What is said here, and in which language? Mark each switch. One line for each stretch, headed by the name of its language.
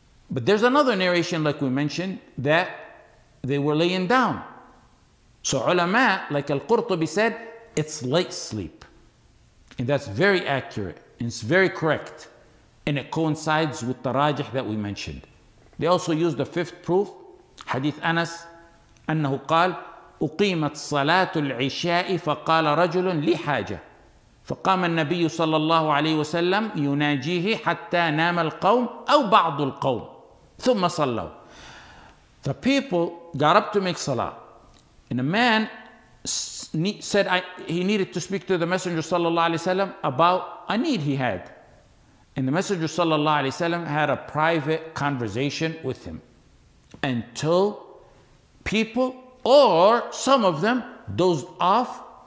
English: But there's another narration, like we mentioned, that they were laying down. So ulama, like Al-Qurtubi said, it's light sleep. And that's very accurate, and it's very correct. And it coincides with the rajih that we mentioned. They also use the fifth proof, hadith Anas,
Arabic: أنه قال, أقيمت صلاة العشاء فقال رجل لي حاجة فقام النبي صلى الله عليه وسلم يناجيه حتى نام القوم أو بعض القوم. ثم صلوا.
English: The people got up to make salah, and a man said he needed to speak to the Messenger sallallahu alaihi wasallam about a need he had, and the Messenger sallallahu alaihi wasallam had a private conversation with him until people or some of them dozed off.